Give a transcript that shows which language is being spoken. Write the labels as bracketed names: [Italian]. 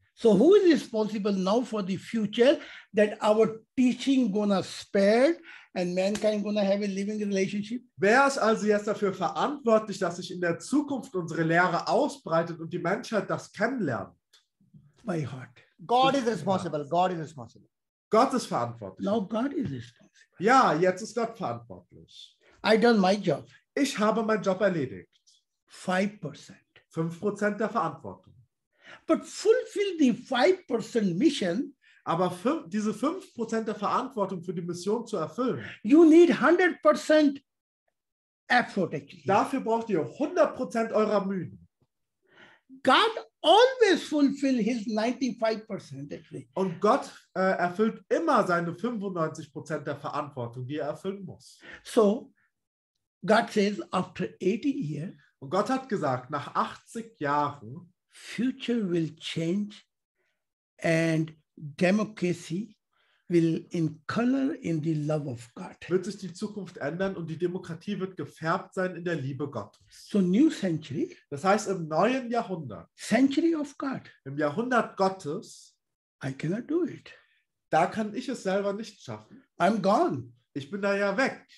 [English] So who is responsible now for the future that our teaching gonna spread and mankind gonna have a living relationship? [German] Wer ist also jetzt dafür verantwortlich, dass sich in der Zukunft unsere Lehre ausbreitet und die Menschheit das kennenlernt? [English] My heart. God is responsible. God is responsible. [German] Gott ist verantwortlich. [English] Now God is responsible. [German] Ja, jetzt ist Gott verantwortlich. [English] I done my job. [German] Ich habe meinen Job erledigt. [English] 5%. [German] 5% der Verantwortung. [English] But fulfill the 5% mission. [German] Aber diese 5% der Verantwortung für die Mission zu erfüllen. [English] You need 100% effort. [German] Dafür braucht ihr 100% eurer Mühen. [English] God always fulfill his 95%. [German] Und Gott erfüllt immer seine 95% der Verantwortung, die er erfüllen muss. [English] So, God says after 80 years. [German] Und Gott hat gesagt, nach 80 Jahren. [English] Future will change and democracy will in color in the love of God. [German] Wird sich die Zukunft ändern und die Demokratie wird gefärbt sein in der Liebe Gottes. [English] So new century. [German] Das heißt im neuen Jahrhundert. [English] Century of God. [German] Im Jahrhundert Gottes. [English] I cannot do it. [German] Da kann ich es selber nicht schaffen. [English] I'm gone. [German] Ich bin da ja weg.